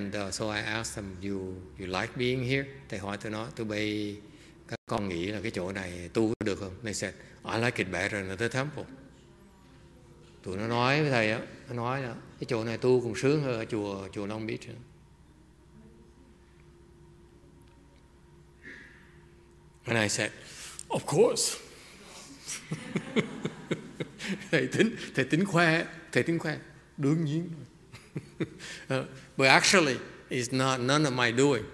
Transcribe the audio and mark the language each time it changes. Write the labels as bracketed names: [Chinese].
[English] So I asked them, you like being here? [Vietnamese] Thầy hỏi tụi nó, tụi bây các con nghĩ là cái chỗ này tu được không? [English] They said, I like it better than the temple. [Vietnamese] Tụi nó nói với thầy á, nói là cái chỗ này tu còn sướng hơn ở chùa Long Beach. [English] And I said, of course. [Vietnamese] thầy tính khoe, đương nhiên. [English] But actually, it's not none of my doing.